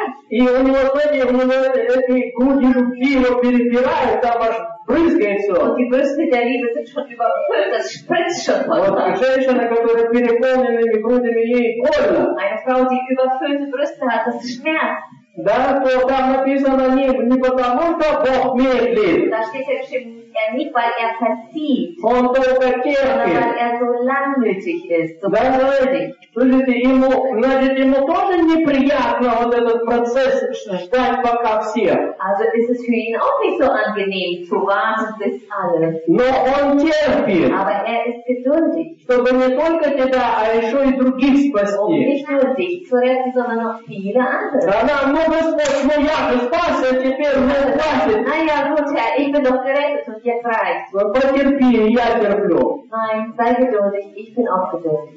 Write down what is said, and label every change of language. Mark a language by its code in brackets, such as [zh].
[ru] И у него эти груди любви его перепирают, там аж брызгает все. Вот и брызги для Либы сочет любопыт, это шприц шапот. Вот женщина, которая переполненными грудями, ей больно. [de] Eine Frau, die überfüllte Brüste hat, das ist Schmerz. [ru] Да, то там написано не потому, что Бог медлит. [de] Da steht ja geschrieben, er nicht, weil er verzieht. [ru] Он только терпит. [de] Sondern weil er so langmütig ist, so geduldig. [ru] Слушайте, ему тоже неприятно вот этот процесс ждать пока все. [de] Also ist es für ihn auch nicht so angenehm, zu warten bis alle. [ru] Но он терпит. [de] Aber er ist geduldig. [ru] Чтобы не только тебя, а еще и других спасти. [de] Um nicht nur dich zu retten, sondern auch viele andere. [ru] Да, да, ну Господь, ну я же спас, а теперь мне хватит. [de] Na ja, gut, Herr, ich bin doch gerettet und jetzt reicht. [ru] Ну потерпи, я терплю. [de] Nein, sei geduldig, ich bin auch geduldig.